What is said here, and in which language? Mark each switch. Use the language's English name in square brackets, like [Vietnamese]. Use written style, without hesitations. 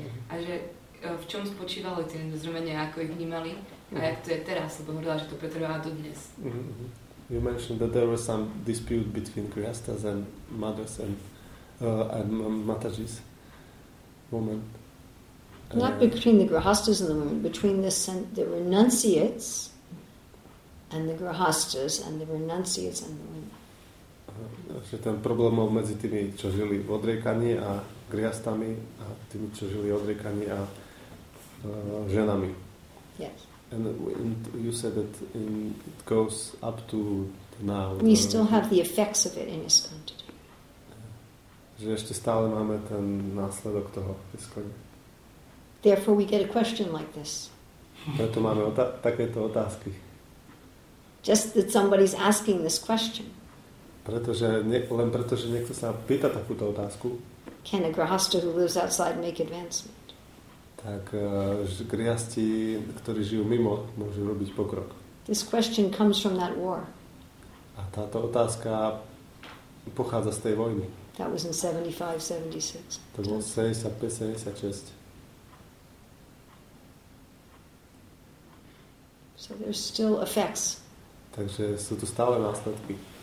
[Slovak] A že v čom spočívali tie nedorozumenia, ako ich vnímali a jak to je teraz, lebo hovorila, že to pretrvá do dnes. [English] You mentioned that there was some dispute between grihastas and mothers and matajis. Woman. Not between the grihastas and the women, between the renunciates and the grihastas and the renunciates and the women. [Slovak] Že ten problém bol medzi tými, čo žili v odriekaní a grihastami a tými, čo žili v odriekaní a ženami. [English] Yes. And you said that it goes up to now. We still have the effects of it in ISKCON today. [Slovak] Že ešte stále máme ten následok toho ISKCONu. [English] Therefore we get a question like this. [Slovak] Preto máme takéto otázky. [English] Just that somebody's asking this question. [Slovak] Pretože len pretože niekto sa pýta takúto otázku. [English] Can a grihastha who lives outside make advancement? [Slovak] Tak grihasti, ktorí žijú mimo, môžu robiť pokrok. [English] This question comes from that war. [Slovak] A táto otázka pochádza z tej vojny. [English] That was in 75-76. [Slovak] To bolo 75-76. [English] So there's still effects. [Slovak] Takže sú tu stále následky.